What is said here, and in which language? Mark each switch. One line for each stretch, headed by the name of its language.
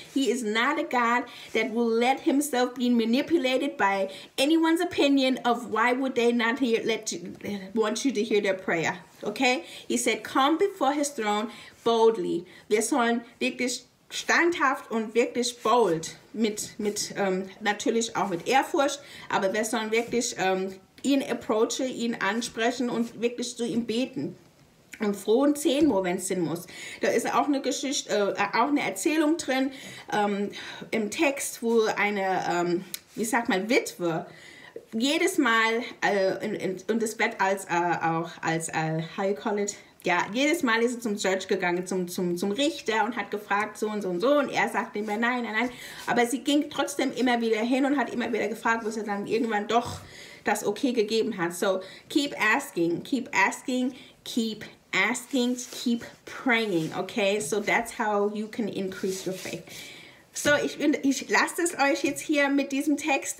English: He is not a God that will let himself be manipulated by anyone's opinion of why would they not want you to hear their prayer. Okay? He said, come before his throne boldly.
German: Wir sollen wirklich standhaft und wirklich bold, mit natürlich auch mit Ehrfurcht, aber wir sollen wirklich ihn approachen, ihn ansprechen und wirklich zu ihm beten. Und frohen Zehnmo, wenn es Sinn muss. Da ist auch eine Geschichte, auch eine Erzählung drin, im Text, wo eine, Witwe, jedes Mal, und das wird als auch als,
English: how you call it,
German: Ja, jedes Mal ist er zum Judge gegangen, zum Richter und hat gefragt, so und so und so. Und er sagte immer nein, nein, nein. Aber sie ging trotzdem immer wieder hin und hat immer wieder gefragt, was er dann irgendwann doch das Okay gegeben hat.
English: So, keep asking, keep asking, keep asking, keep praying, okay? So that's how you can increase your faith.
German: So, ich lasse es euch jetzt hier mit diesem Text.